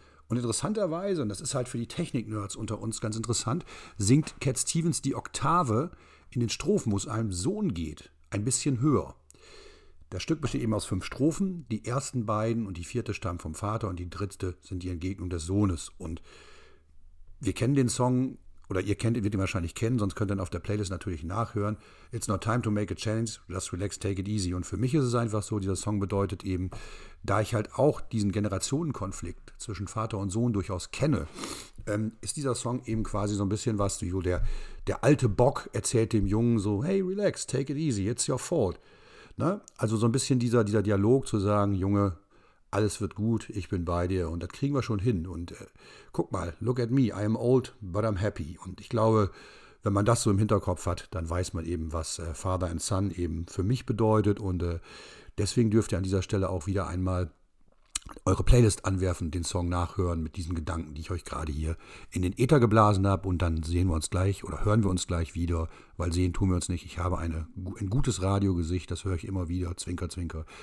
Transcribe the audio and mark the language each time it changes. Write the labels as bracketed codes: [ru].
[de] Und interessanterweise, und das ist halt für die Technik-Nerds unter uns ganz interessant, singt Cat Stevens die Oktave in den Strophen, wo es einem Sohn geht, ein bisschen höher. Das Stück besteht eben aus 5 Strophen. Die ersten beiden und die vierte stammen vom Vater und die dritte sind die Entgegnung des Sohnes. Und wir kennen den Song, oder ihr kennt ihn, wird ihn wahrscheinlich kennen, sonst könnt ihr ihn auf der Playlist natürlich nachhören. [en] It's not time to make a change, just relax, take it easy. [de] Und für mich ist es einfach so, dieser Song bedeutet eben, da ich halt auch diesen Generationenkonflikt zwischen Vater und Sohn durchaus kenne, ist dieser Song eben quasi so ein bisschen was, wie der alte Bock erzählt dem Jungen so, [en] hey, relax, take it easy, it's your fault. [de] Ne? Also so ein bisschen dieser Dialog zu sagen, Junge, alles wird gut, ich bin bei dir und das kriegen wir schon hin. Und guck mal, [en] look at me, I am old, but I'm happy. [de] Und ich glaube, wenn man das so im Hinterkopf hat, dann weiß man eben, was Father and Son eben für mich bedeutet. Und deswegen dürft ihr an dieser Stelle auch wieder einmal eure Playlist anwerfen, den Song nachhören mit diesen Gedanken, die ich euch gerade hier in den Äther geblasen habe. Und dann sehen wir uns gleich oder hören wir uns gleich wieder, weil sehen tun wir uns nicht. Ich habe ein gutes Radiogesicht, das höre ich immer wieder. Zwinker, zwinker.